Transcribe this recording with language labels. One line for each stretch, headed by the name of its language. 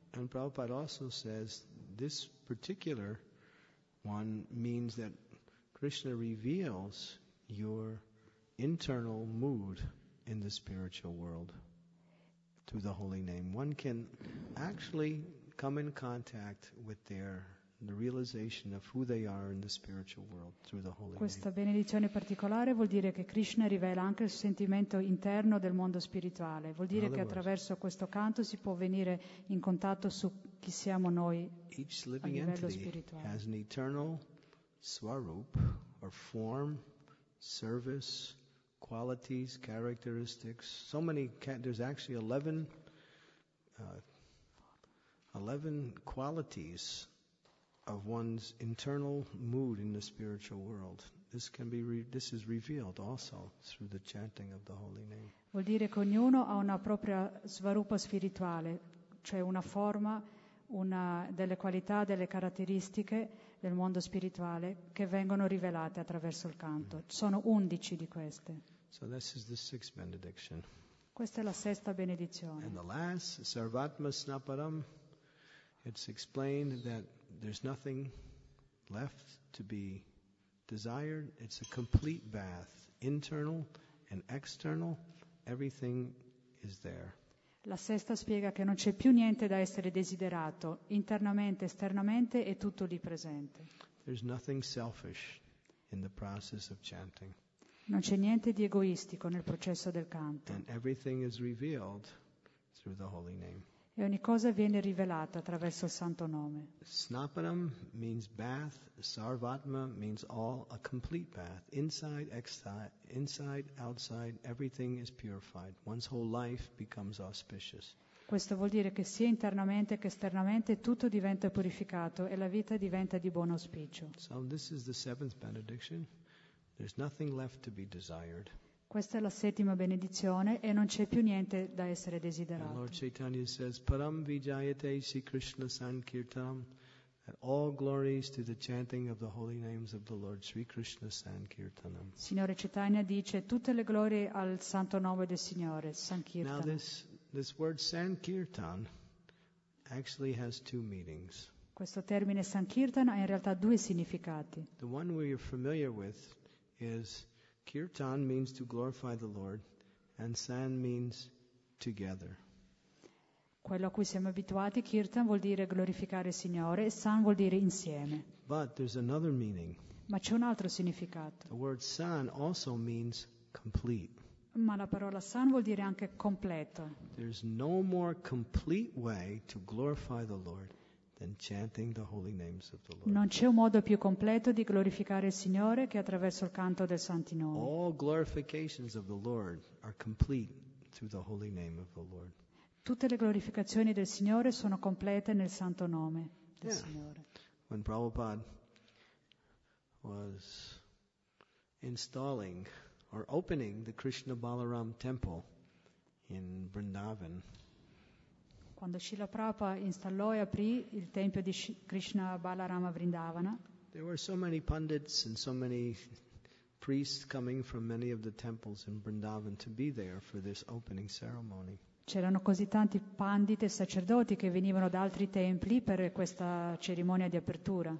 English: And Prabhupada also says this particular one means that Krishna reveals your internal mood in the spiritual world. To the holy name, one can actually come in contact with the realization of who they are in the spiritual world through the holy name.
Italian: Questa benedizione particolare vuol dire che Krishna rivela anche il sentimento interno del mondo spirituale. Vuol dire che attraverso questo canto si può venire in contatto su chi siamo noi a livello spirituale.
English: Has an eternal swarup or form, service. Qualities, characteristics, so many, there's actually 11 qualities of one's internal mood in the spiritual world. This is revealed also through the chanting of the holy name.
Italian: Vuol dire che ognuno ha una propria svarupa spirituale, cioè una forma, una delle qualità, delle caratteristiche del mondo spirituale che vengono rivelate attraverso il canto. Sono 11 di queste.
English: So this is the sixth benediction.
Italian: Questa è la sesta benedizione.
English: And the last, Sarvatma Snaparam, it's explained that there's nothing left to be desired. It's a complete bath, internal and external. Everything is there.
Italian: La sesta spiega che non c'è più niente da essere desiderato, internamente, esternamente, è tutto lì presente.
English: There's nothing selfish in the process of chanting.
Italian: Non c'è niente di egoistico nel processo del canto.
English: And everything is revealed through the holy name.
Italian: E ogni cosa viene rivelata attraverso il santo nome.
English: Snaparam means bath, Sarvatma means all, a complete bath, inside, exterior, inside, outside, everything is purified. One's whole life becomes auspicious.
Italian: Questo vuol dire che sia internamente che esternamente tutto diventa purificato e la vita diventa di buon auspicio.
English: So this is the seventh benediction. There's nothing left to be desired.
Italian: Questa è la settima benedizione e non c'è più niente da essere desiderato.
English: And Lord Chaitanya says,
Sanskrit: Param Vijayate Sri Krishna Sankirtanam,
English: that all glories to the chanting of the holy names of the Lord Sri Krishna Sankirtanam.
Italian: Signore Chaitanya dice, tutte le glorie al santo nome del Signore, Sankirtanam.
English: Now this word Sankirtan actually has two meanings.
Italian: Questo termine Sankirtan ha in realtà due significati.
English: The one we are familiar with is Kirtan means to glorify the Lord, and San means together.
Italian: Quello a cui siamo abituati, Kirtan vuol dire glorificare il Signore, e San vuol dire insieme.
English: But there's another meaning.
Italian: Ma c'è un altro significato.
English: The word San also means complete.
Italian: Ma la parola San vuol dire anche completo.
English: There's no more complete way to glorify the Lord than chanting the holy names of the Lord.
Italian: Non c'è un modo più completo di glorificare il Signore che attraverso il canto dei santi nomi.
English: All glorifications of the Lord are complete through the holy name of the Lord.
Italian: Tutte le glorificazioni del Signore sono complete nel santo nome del Signore.
English: When Prabhupada was installing or opening the Krishna Balaram temple in Vrindavan,
Italian: quando Srila Prabhupada installò e aprì il tempio di Krishna Balarama Vrindavana,
English: there were so many pundits and so many priests coming from many of the temples in Vrindavan to be there for this opening ceremony.
Italian: C'erano così tanti panditi e sacerdoti che venivano da altri templi per questa cerimonia di apertura.